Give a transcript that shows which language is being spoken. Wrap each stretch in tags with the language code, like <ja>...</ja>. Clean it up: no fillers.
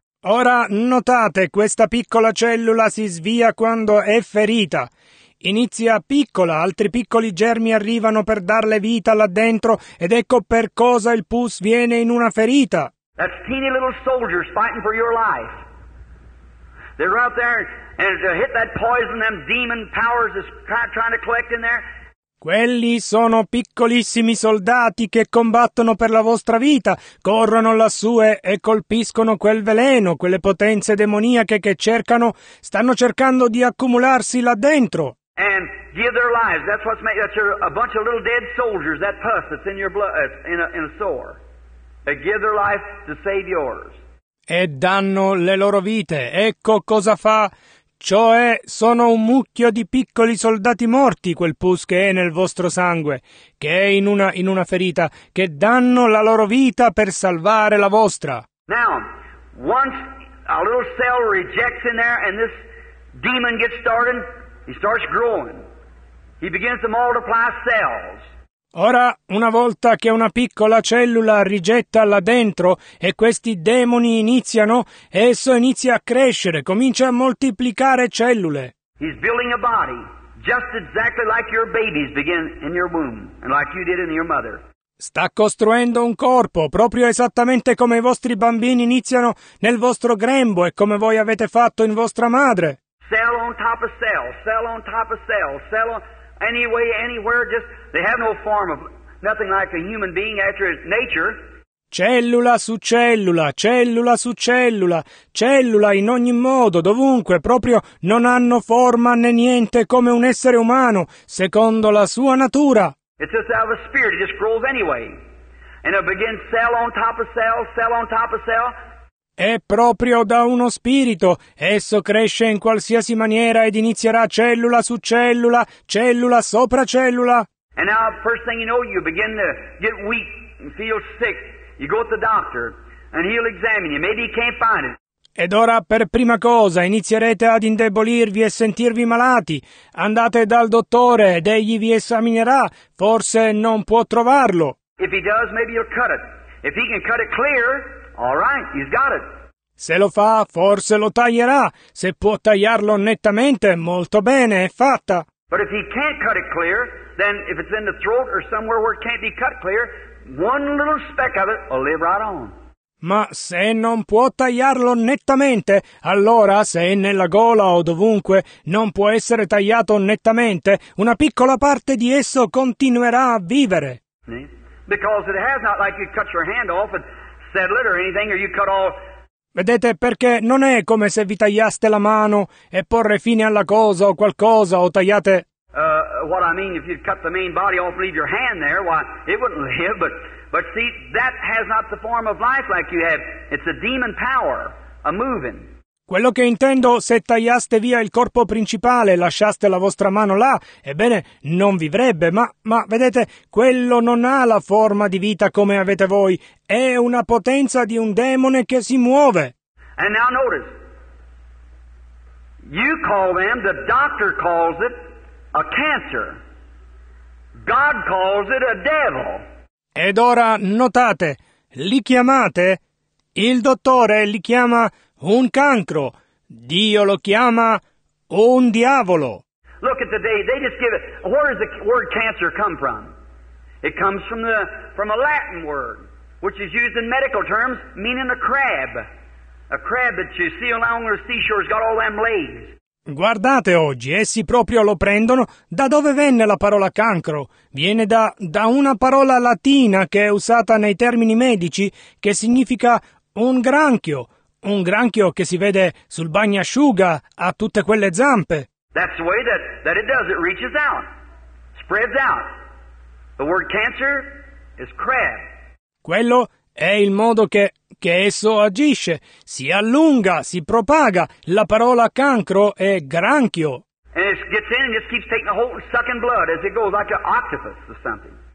<it>Ora, notate, questa piccola cellula si svia quando è ferita. Inizia piccola, altri piccoli germi arrivano per darle vita là dentro, ed ecco per cosa il pus viene in una ferita.</it> <en>That's teeny little soldiers fighting for your life. They're out there and to hit that poison, them demon powers is trying to collect in there.</en> <it>Quelli sono piccolissimi soldati che combattono per la vostra vita, corrono lassù e colpiscono quel veleno, quelle potenze demoniache che stanno cercando di accumularsi là dentro.</it> <en>And give their lives. That's what's made. That's a bunch of little dead soldiers. That pus that's in your blood, in a sore. They give their life to save yours.</en> <it>E danno le loro vite. Ecco cosa fa. Cioè, sono un mucchio di piccoli soldati morti, quel pus che è nel vostro sangue, che è in una ferita, che danno la loro vita per salvare la vostra.</it> <en>Now, once a little cell rejects in there and this demon gets started, he starts growing. He begins to multiply cells.</en> <it>Ora, una volta che una piccola cellula rigetta là dentro e questi demoni iniziano, esso inizia a crescere, comincia a moltiplicare cellule.</it> <en>He's building a body, just exactly like your babies begin in your womb, and like you did in your mother.</en> <it>Sta costruendo un corpo, proprio esattamente come i vostri bambini iniziano nel vostro grembo e come voi avete fatto in vostra madre.</it> <en>Cell on top of cell, cell on top of cell, cell on... Any way, anywhere, just they have no form of nothing like a human being after his nature.</en> <it>Cellula su cellula, cellula su cellula, cellula in ogni modo, dovunque, proprio non hanno forma né niente come un essere umano, secondo la sua natura.</it> <en>It's just out of a spirit, it just grows anyway. And it begins cell on top of cell, cell on top of cell.</en> <it>È proprio da uno spirito. Esso cresce in qualsiasi maniera ed inizierà cellula su cellula, cellula sopra cellula.</it> <en>And now, first thing you know, you begin to get weak and feel sick. You go to the doctor and he'll examine you. Maybe he can't find it.</en> <it>Ed ora, per prima cosa, inizierete ad indebolirvi e sentirvi malati. Andate dal dottore ed egli vi esaminerà. Forse non può trovarlo.</it> <en>If he does, maybe he'll cut it. If he can cut it clear, all right, he's got it.</en> <it>Se lo fa, forse lo taglierà. Se può tagliarlo nettamente, molto bene, è fatta.</it> <en>But if he can't cut it clear, then if it's in the throat or somewhere where it can't be cut clear, one little speck of it will live right on.</en> <it>Ma se non può tagliarlo nettamente, allora se è nella gola o dovunque, non può essere tagliato nettamente, una piccola parte di esso continuerà a vivere.</it> <en>Because it has not like you cut your hand off and settle it or anything, or you cut all...</en> <it>Vedete, perché non è come se vi tagliaste la mano e porre fine alla cosa o qualcosa o tagliate...</it> <en>What I mean, if you cut the main body off, leave your hand there, why, it wouldn't live, but see, that has not the form of life like you have. It's a demon power, a moving.</en> <it>Quello che intendo, se tagliaste via il corpo principale e lasciaste la vostra mano là, ebbene, non vivrebbe, ma vedete, quello non ha la forma di vita come avete voi. È una potenza di un demone che si muove.</it> <en>And now notice, you call them, the doctor calls it, a cancer. God calls it a devil.</en> <it>Ed ora notate, li chiamate, il dottore li chiama un cancro, Dio lo chiama un diavolo.</it> <en>Look at the day, they just give it, where does the word cancer come from? It comes from a Latin word, which is used in medical terms, meaning a crab. A crab that you see along the seashore has got all them legs.</en> <it>Guardate oggi, essi proprio lo prendono. Da dove venne la parola cancro? Viene da una parola latina che è usata nei termini medici, che significa un granchio che si vede sul bagnasciuga, ha tutte quelle zampe.</it> <en>That's the way that it does, it reaches out, spreads out. The word cancer is crab.</en> <it>Quello è il modo che esso agisce, si allunga, si propaga. La parola cancro è granchio.</it> <en>And it gets in and just keeps taking a hold and sucking blood as it goes, like an octopus or something.</en>